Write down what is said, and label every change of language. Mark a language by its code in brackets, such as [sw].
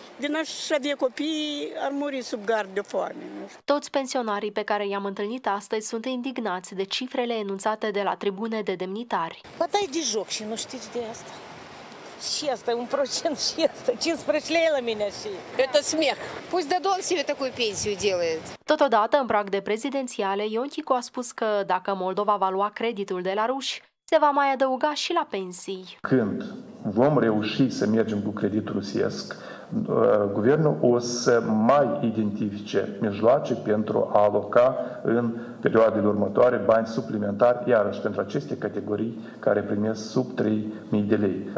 [ro] Din așa de copii ar muri sub gard de foame. Toți pensionarii pe care i-am întâlnit astăzi sunt indignați de cifrele enunțate de la tribune de demnitari. Bătaie de joc și nu știți de asta. Și asta e un procent, și asta, 15 lei la mine și... [ru] Это смех. Пусть да Дон себе такую пенсию делает. [ro] Totodată, în prag de prezidențiale, Ionchicu a spus că dacă Moldova va lua creditul de la ruși, se va mai adăuga și la pensii. Când vom reuși să mergem cu creditul rusesc, guvernul o să mai identifice mijloace pentru a aloca în perioadele următoare bani suplimentari, iarăși pentru aceste categorii care primesc sub 3.000 de lei.